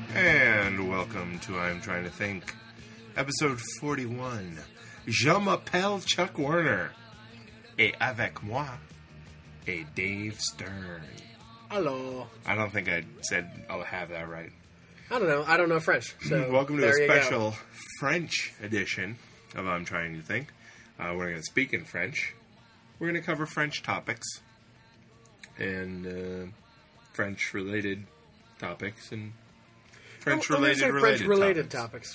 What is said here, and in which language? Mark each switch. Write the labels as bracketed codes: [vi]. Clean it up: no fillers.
[en] And welcome to I'm Trying to Think, episode 41. [fr] Je m'appelle Chuck Werner. Et avec moi, et Dave Stern. [en] Hello. I don't think I said I'll have that right. I don't know. I don't know French. So welcome to a special French edition of I'm Trying to Think. We're going to speak in French. We're going to cover French topics and French-related topics and French-related topics.